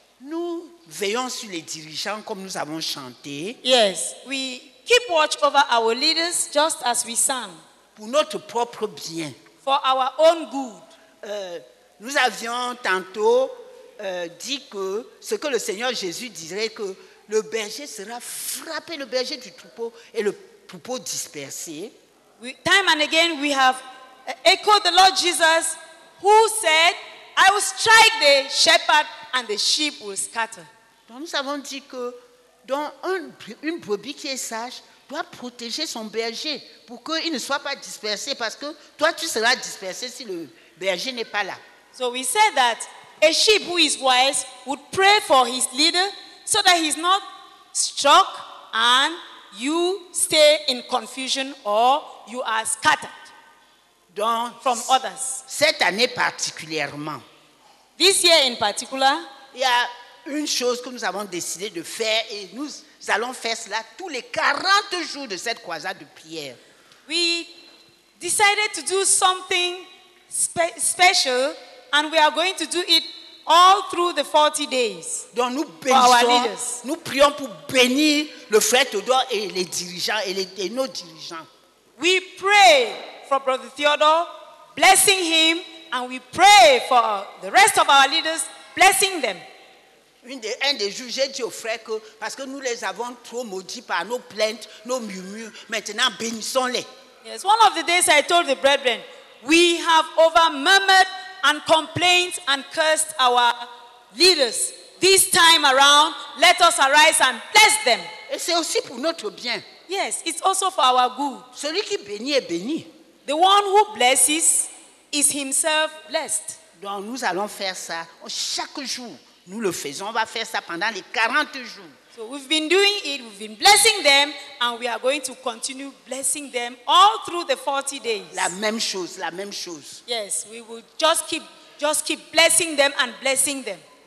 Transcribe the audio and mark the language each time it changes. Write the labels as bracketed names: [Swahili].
[French] nous veillons sur les dirigeants comme nous avons chanté. [English] Yes, we keep watch over our leaders just as we sang. [French] Pour notre propre bien. [English] For our own good. [French] Nous avions tantôt dit que ce que le Seigneur Jésus dirait, que le berger sera frappé, le berger du troupeau, et le troupeau dispersé. [English] Time and again, we have echoed the Lord Jesus who said, I will strike the shepherd and the sheep will scatter. [French] Donc nous avons dit que dans une brebis qui est sage, doit protéger son berger pour qu'il ne soit pas dispersé, parce que toi tu seras dispersé si le berger n'est pas là. [English] So we said that a sheep who is wise would pray for his leader so that he's not struck and you stay in confusion or you are scattered. [French] Donc, [English] from others. [French] Cette année particulièrement. [English] This year in particular. [French] Il y a une chose que nous avons décidé de faire et nous allons faire cela tous les 40 jours de cette croisade de prière. [English] We decided to do something special and we are going to do it all through the 40 days. [French] Donc nous bénissons, [English] for our leaders. [French] Nous prions pour bénir le frère Théodore et les dirigeants et nos dirigeants. [English] We pray for Brother Theodore, blessing him, and we pray for the rest of our leaders, blessing them. [French] Un des jours, j'ai dit aux frères que parce que nous les avons trop maudits par nos plaintes, nos murmures, maintenant bénissons-les. [English] Yes, one of the days I told the brethren, we have over murmured and complained and cursed our leaders. This time around, let us arise and bless them. [French] Et c'est aussi pour notre bien. [English] Yes, it's also for our good. [French] Celui qui bénit est béni. [English] The one who blesses is himself blessed. [French] Donc nous allons faire ça chaque jour. Nous le faisons, on va faire ça pendant les 40 jours. [English] So we've been doing it, we've been blessing them, and we are going to continue blessing them all through the 40 days. [French] La même chose, la même chose. [English] Yes, we will just keep blessing them and blessing them.